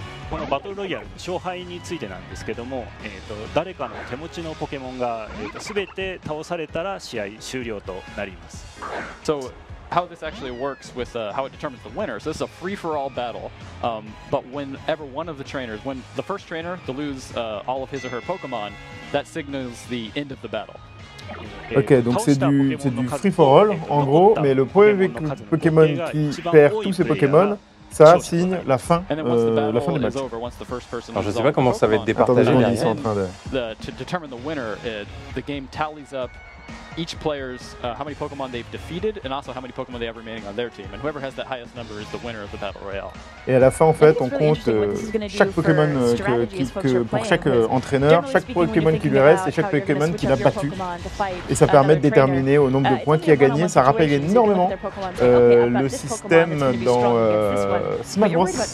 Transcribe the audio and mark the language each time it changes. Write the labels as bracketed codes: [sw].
[ja] このバトルロイヤル勝敗についてなんですけども、誰かの手持ちのポケモンが、全て倒されたら試合終了となります。 [en] So how this actually works with how it determines the winner. So this is a free for all battle. But whenever one of the trainers, when the first trainer to lose all of his or her Pokemon, that signals the end of the battle. [fr] Ok, donc c'est du [en] free for all [fr] en gros, mais le premier Pokémon qui perd tous ses Pokémon. Ça signe la fin du match. Alors je ne sais pas comment ça va être départagé. Attendez, ils sont en train de. [en] To determine the winner, the game tallies up each player's how many Pokemon they've defeated and also how many Pokemon they have remaining on their team. And whoever has that highest number is the winner of the battle royale. [fr] Et à la fin, en fait, on compte chaque Pokémon pour chaque entraîneur, chaque Pokémon qui lui reste et chaque Pokémon qu'il a battu. Et ça permet de déterminer au nombre de points qui a gagné. Ça rappelle énormément le système dans Smash Bros.